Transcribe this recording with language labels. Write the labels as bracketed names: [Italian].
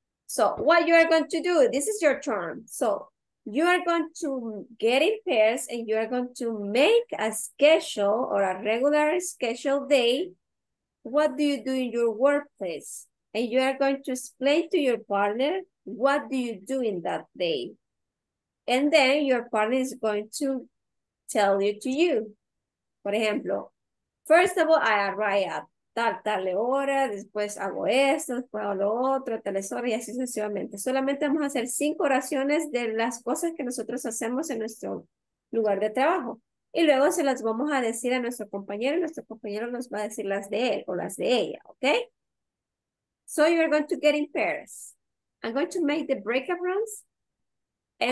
[English] So, what you are going to do, this is your turn, so... You are going to get in pairs and you are going to make a schedule or a regular schedule day. What do you do in your workplace? And you are going to explain to your partner, what do you do in that day? And then your partner is going to tell it to you. For example, first of all, I arrive at [Spanish] tal hora, después hago esto, después hago lo otro, tal hora, y así sucesivamente. Solamente vamos a hacer 5 oraciones de las cosas que nosotros hacemos en nuestro lugar de trabajo. Y luego se las vamos a decir a nuestro compañero, y nuestro compañero nos va a decir las de él o las de ella, ¿ok? [English] So you are going to get in pairs. I'm going to make the breakup rooms and